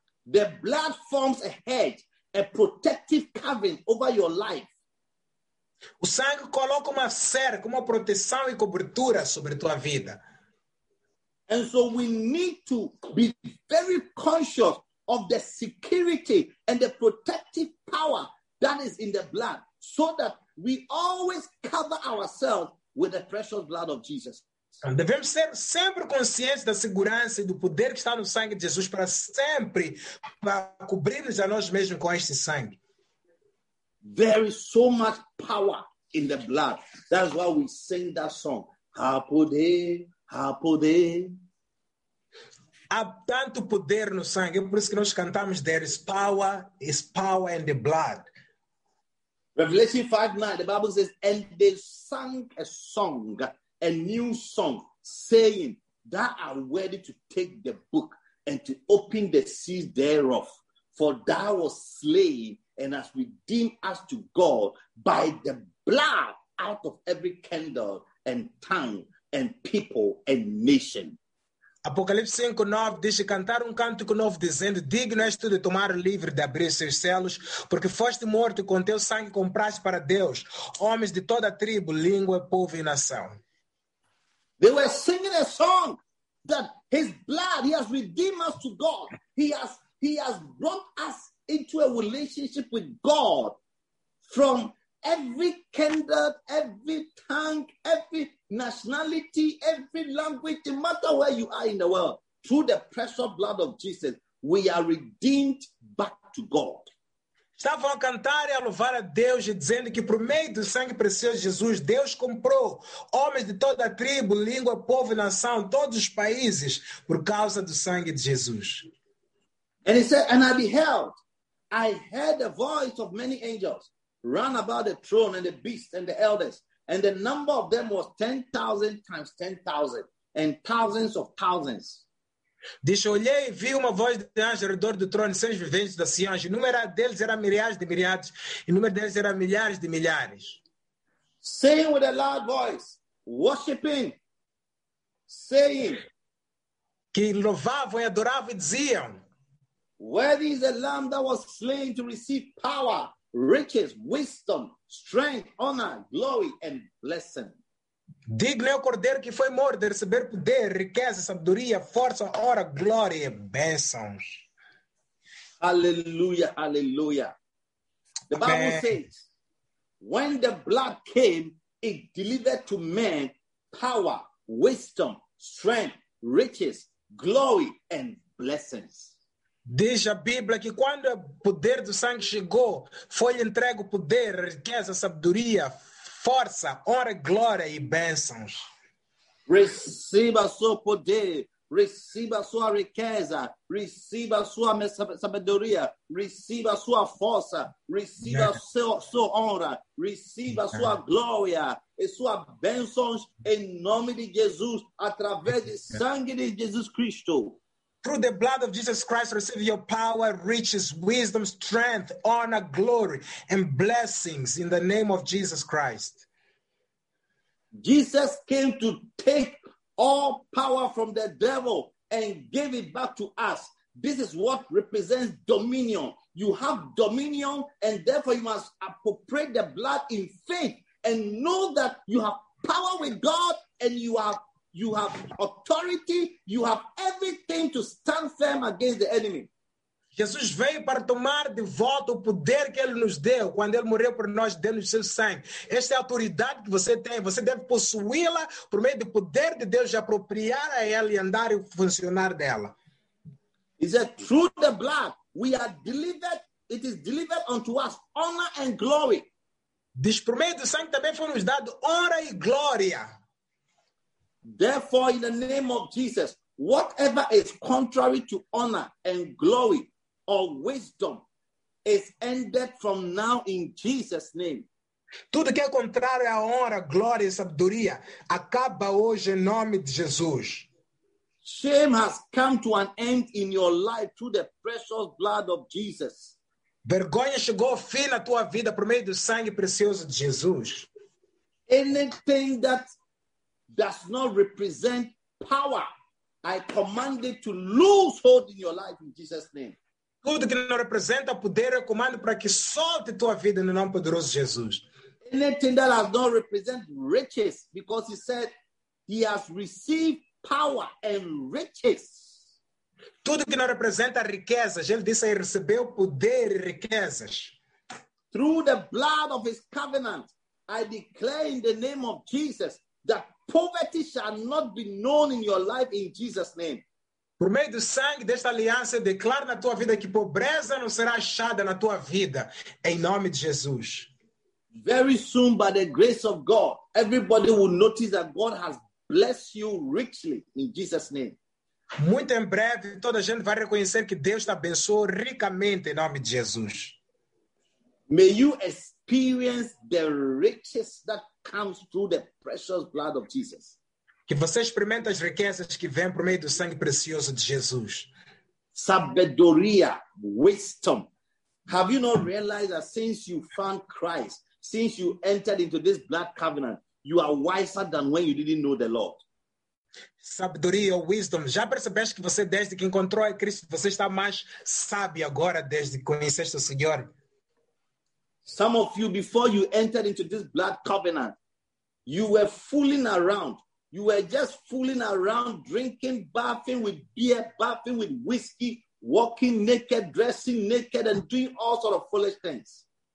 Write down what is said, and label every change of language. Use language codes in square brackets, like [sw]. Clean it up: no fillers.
[en] The blood forms a hedge, a protective covering over your life. [pt] O sangue coloca uma cerca, uma proteção e cobertura sobre tua vida. [en] And so we need to be very conscious of the security and the protective power that is in the blood, so that we always cover ourselves with the precious blood of Jesus. [pt] Devemos ser sempre conscientes da segurança e do poder que está no sangue de Jesus para sempre cobrir-nos a nós mesmos com este sangue. [en] There is so much power in the blood. That's why we sing that song. [pt] Há poder, há poder. Há tanto poder no sangue. É por isso que nós cantamos [en] there is power in the blood. Revelation 5:9, the Bible says, and they sang a song, a new song, saying, thou art worthy to take the book and to open the seals thereof. For thou wast slain and hast redeemed us to God by the blood out of every kindred and tongue and people and nation. [pt] Apocalipse 5:9 diz que cantaram um cântico novo dizendo, digno és tu de tomar o livro de abrir seus selos, porque foste morto e com teu sangue compraste para Deus homens de toda a tribo, língua, povo e nação. [en] They were singing a song that his blood, he has redeemed us to God. He has brought us into a relationship with God from every kindred, every tongue, every nationality, every language, no matter where you are in the world, through the precious blood of Jesus, we are redeemed back to God. [pt] Estavam a cantar e a louvar a Deus e dizendo que por meio do sangue precioso de Jesus, Deus comprou homens de toda a tribo, língua, povo e nação, todos os países, por causa do sangue de Jesus. [en] And he said, and I beheld, I heard the voice of many angels, ran about the throne and the beast and the elders. And the number of them was 10,000 times 10,000 and thousands of thousands. [pt] Diz, olhei e vi uma voz de anjo ao redor do trono, seres viventes da Sião. O número deles era milhares de milhares, e o número deles era milhares de milhares. [en] Saying with a loud voice, worshiping, saying, [pt] que louvavam e adoravam e diziam, [en] worthy is the Lamb that was slain to receive power, riches, wisdom, strength, honor, glory, and blessing. [pt] Digno é o cordeiro que foi morto de receber poder, riqueza, sabedoria, força, honra, glória e bênçãos. [en] Aleluia, aleluia. The Bible Amen. Says, when the blood came, it delivered to men power, wisdom, strength, riches, glory, and blessings. [pt] Diz a Bíblia que quando o poder do sangue chegou, foi-lhe entregue o poder, riqueza, sabedoria, força, honra, glória e bênçãos. Receba seu poder, receba sua riqueza, receba sua sabedoria, receba sua força, receba sua honra, receba sua glória e sua bênçãos em nome de Jesus, através do sangue de Jesus Cristo. [en] Through the blood of Jesus Christ, receive your power, riches, wisdom, strength, honor, glory, and blessings in the name of Jesus Christ. Jesus came to take all power from the devil and give it back to us. This is what represents dominion. You have dominion, and therefore you must appropriate the blood in faith and know that you have power with God and you have authority, you have everything to stand firm against the enemy. [pt] Jesus veio para tomar de volta o poder que ele nos deu. Quando ele morreu por nós, deu-nos seu sangue. Esta é a autoridade que você tem. Você deve possuí-la por meio do poder de Deus, de apropriar a ela e andar e funcionar dela. [en] Is it through the blood we are delivered? It is delivered unto us honor and glory. [pt] Diz, por meio do sangue também foi nos dado honra e glória. [en] Therefore, in the name of Jesus, whatever is contrary to honor and glory or wisdom is ended from now in Jesus' name. [pt] Tudo que é contrário à honra, glória e sabedoria acaba hoje em nome de Jesus. [en] Shame has come to an end in your life through the precious blood of Jesus. [pt] Vergonha chegou ao fim na tua vida por meio do sangue precioso de Jesus. [en] Anything that does not represent power, I command it to lose hold in your life in Jesus' name. [pt] Tudo que não representa poder, eu comando para que solte tua vida no nome poderoso de Jesus. [en] Anything that does not represent riches, because he said he has received power and riches. [pt] Tudo que não representa riquezas, ele disse que recebeu poder e riquezas. [en] Through the blood of his covenant, I declare in the name of Jesus that poverty shall not be known in your life in Jesus' name. [pt] Por meio do sangue desta aliança, eu declaro na tua vida que pobreza não será achada na tua vida, em nome de Jesus. [en] Very soon, by the grace of God, everybody will notice that God has blessed you richly in Jesus' name. [pt] Muito em breve, toda a gente vai reconhecer que Deus te abençoou ricamente em nome de Jesus. [en] May you experience the riches that comes through the precious blood of Jesus. [pt] Que você experimente as riquezas que vêm por meio do sangue precioso de Jesus. Sabedoria, wisdom. [en] Have you not realized that since you found Christ, since you entered into this blood covenant, you are wiser than when you didn't know the Lord? [pt] Sabedoria, wisdom. Já percebeste que você, desde que encontrou a Cristo, você está mais sábio agora, desde que conheceste o Senhor? [en] Some of you, before you entered into this blood covenant, you were fooling around. You were just fooling around, drinking, bathing with beer, bathing with whiskey, walking naked, dressing naked, and doing all sort of foolish things.